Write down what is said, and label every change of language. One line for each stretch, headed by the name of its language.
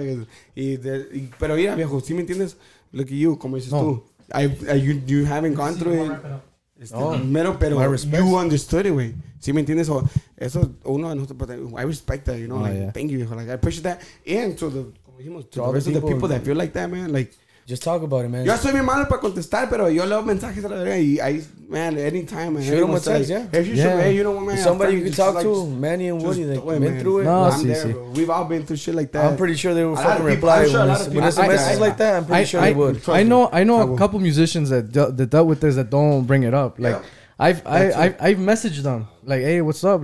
Spanish: Pero mira, viejo, si me entiendes,
English: look at you,
Spanish: como dices tú.
English: You haven't gone through it.
Spanish: Pero
English: you understood it, wey.
Spanish: Si me entiendes, o... Eso uno de nosotros,
English: I respect that, you know, thank you, like I appreciate that, and to the,
Spanish: como dijimos,
English: to the rest of the people that feel like that, man, like, just talk about it, man.
Spanish: Yo soy mi malo para contestar, pero yo leo mensajes a la verga y
English: I, man, anytime, man. Shoot him a text, like, yeah. If you yeah. Show, hey, you know what, man. Somebody you can talk like, to, Manny and Woody, they've been man. Through it. No, I'm there, bro. We've all been through shit like that. I'm pretty sure they would fucking reply sure when there's a message like that. I'm pretty sure they would. I know a couple musicians that dealt with this that don't bring it up, like, I've messaged them like, hey, what's up?